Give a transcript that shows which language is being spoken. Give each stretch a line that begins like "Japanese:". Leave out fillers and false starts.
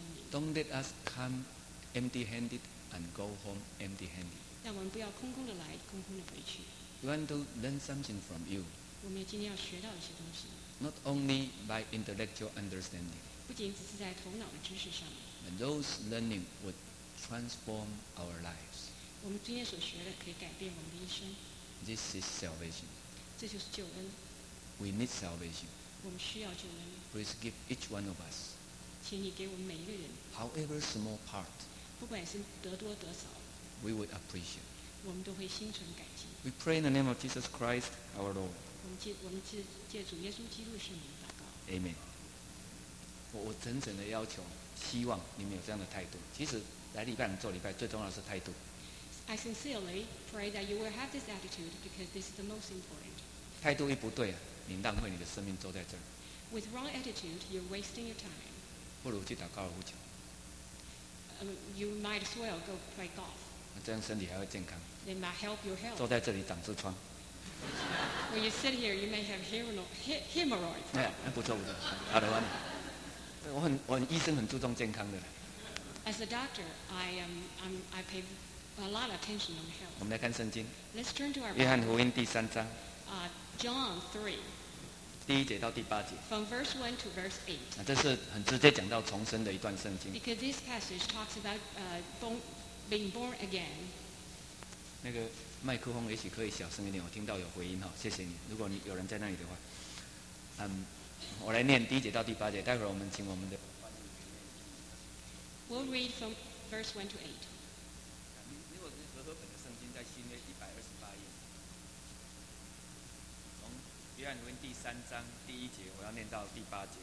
English: Don't let us come empty-handed and go home empty-handed.
Chinese: 但我们不要空空的来，空空的回去。
English: We want to learn something from you.
Chinese: 我们今天要学到一些东西。
English: Not only by intellectual understanding.
Chinese: 不仅只是在头脑的知识上面。
English: But those learning would transform our lives.
Chinese: 我们今天所学的可以改变我们的一生。
English: This is salvation.
Chinese: 这就是救恩。
English: We need salvation.
Chinese: 我们需要救恩。
English: Please give each one of us.
Chinese: 请你给我们每一个人。
English: However small part.
Chinese: 不管是得多得少。
English: We would appreciate.
Chinese: 我们都会心存感激。
English: We pray in the name of Jesus Christ, our Lord.
Chinese: 我们借主耶稣基督圣名祷告。
English: Amen.
Chinese: 我真诚的要求，希望你们有这样的态度。其实来礼拜做礼拜，最重要的是态度。
English: I sincerely pray that you will have this attitude because this is the most important.
Chinese: 态度一不对啊，你浪费你的生命坐在这儿。
English: With wrong attitude, you're wasting your time.
Chinese: 不如去打高尔夫球。
English: You might as well go play golf.
Chinese: 这样身体还会健康。
English: They might help your health.
Chinese: 坐在这里长痔疮。
English: When you sit here, you may have hemorrhoids.
Chinese: 哎、yeah, 嗯，不错不错，好的很。我很医生很注重健康的。
English: As a doctor, I pay a lot of attention on health.
Chinese: 我们来看圣经。
English: Let's turn to our.
Chinese: 约翰福音第三章。
English: John 3.
Chinese: 第一节到第八节。
English: From verse 1 to verse 8.
Chinese: 那、啊、这是很直接讲到重生的一段圣经。
English: Because this passage talks about being born again.
Chinese: 那个麦克风也许可以小声一点，我听到有回音哈、哦，谢谢你。如果你有人在那里的话，我来念第一节到第八节，待会儿我们请我们的。
English: We'll read from verse 1 to 8.
Chinese: 你我是和合本的圣经，在新约128页，从约翰福音第三章第一节，我要念到第八节。